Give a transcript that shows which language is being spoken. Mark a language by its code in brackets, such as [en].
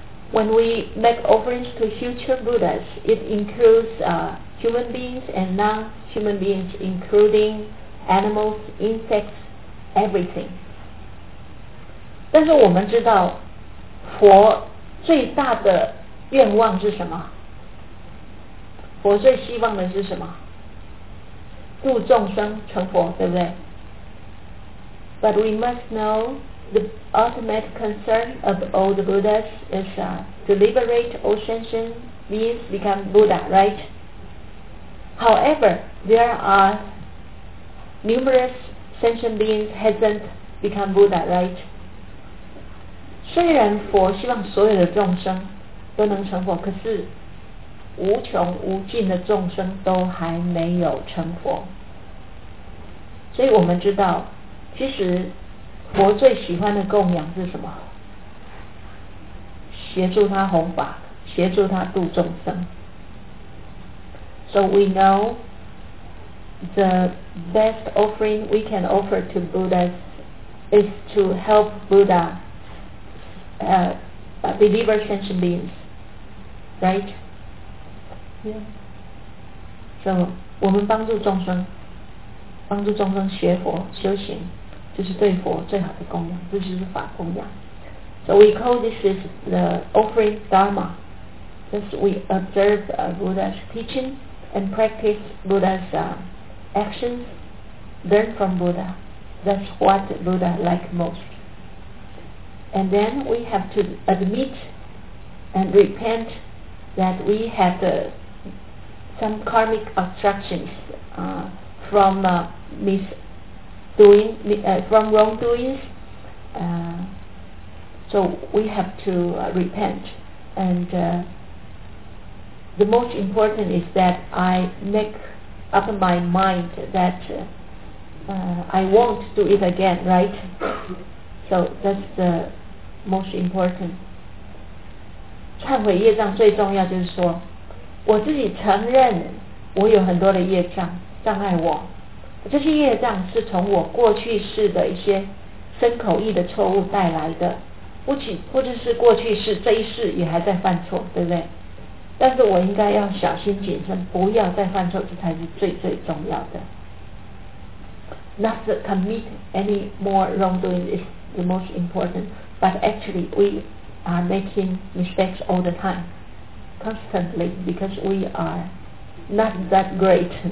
[en] When we make offerings to future Buddhas, it includes human beings and non-human beings, including animals, insects, everything. [zh] 但是我们知道，佛最大的愿望是什么？佛最希望的是什么？度众生成佛，对不对？ [en] But we must know the ultimate concern of all the Buddhas is to liberate all sentient beings become Buddha, right? However, there are numerous sentient beings hasn't become Buddha, right? [zh] 虽然佛希望所有的众生都能成佛，可是无穷无尽的众生都还没有成佛。所以我们知道，其实佛最喜欢的供养是什么？协助他弘法，协助他度众生。 [en] So we know the best offering we can offer to Buddhas is to help Buddha deliver sentient beings, right? Yeah. [zh] So 我们帮助众生，帮助众生学佛修行，就是对佛最好的供养，这就是法供养。 [en] So we call this is the offering Dharma, because we observe Buddha's teaching. And practice Buddha's actions, learn from Buddha. That's what Buddha liked most. And then we have to admit and repent that we have some karmic obstructions from wrongdoings. So we have to repent and. The most important is that I make up my mind that I won't do it again, right? So that's the most important. [zh] 忏悔业障最重要就是说，我自己承认我有很多的业障障碍我，这些业障是从我过去世的一些身口意的错误带来的，或者是过去世这一世也还在犯错，对不对？但是我应该要小心谨慎，不要再犯错，这才是最最重要的。 [en] Not to commit any more wrongdoing is the most important, but actually we are making mistakes all the time, constantly, because we are not that great.